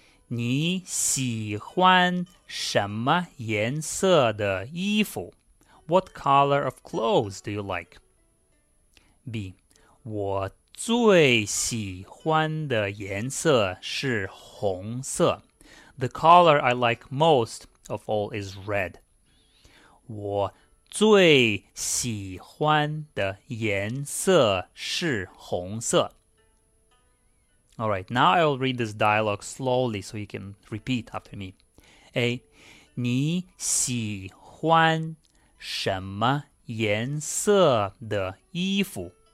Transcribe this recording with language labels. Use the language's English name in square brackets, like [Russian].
[Chinese] 你喜欢什么颜色的衣服? [English] What color of clothes do you like? B. [Chinese] 我最喜欢的颜色是红色. [English] The color I like most of all is red. [Chinese] 我最喜欢的颜色是红色. [English] All right, now I will read this dialogue slowly so you can repeat after me. A. [Chinese] 你喜欢什么颜色的衣服?